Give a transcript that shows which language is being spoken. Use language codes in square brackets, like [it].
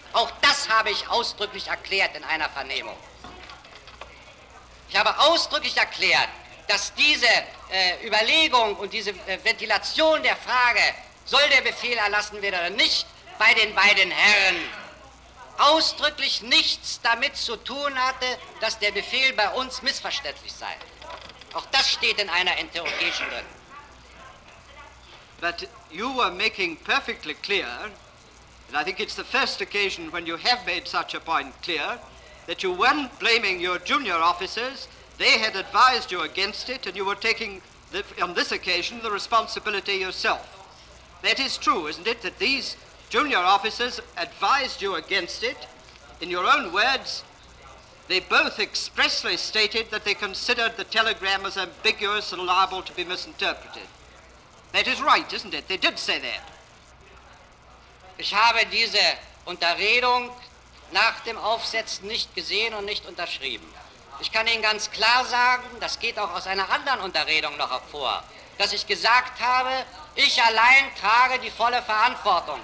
[de] Auch das habe ich ausdrücklich erklärt in einer Vernehmung. Ich habe ausdrücklich erklärt, dass diese Überlegung und diese Ventilation der Frage, soll der Befehl erlassen werden oder nicht, bei den beiden Herren ausdrücklich nichts damit zu tun hatte, dass der Befehl bei uns missverständlich sei. Auch das steht in einer Interrogation drin. [en] But you were making perfectly clear, and I think it's the first occasion when you have made such a point clear, that you weren't blaming your junior officers. They had advised you against it, and you were taking, on this occasion, the responsibility yourself. That is true, isn't it, that these junior officers advised you against it? In your own words, they both expressly stated that they considered the telegram as ambiguous and liable to be misinterpreted. That is right, isn't it? They did say that. [de] Ich habe diese Unterredung nach dem Aufsetzen nicht gesehen und nicht unterschrieben. Ich kann Ihnen ganz klar sagen, das geht auch aus einer anderen Unterredung noch hervor, dass ich gesagt habe, ich allein trage die volle Verantwortung.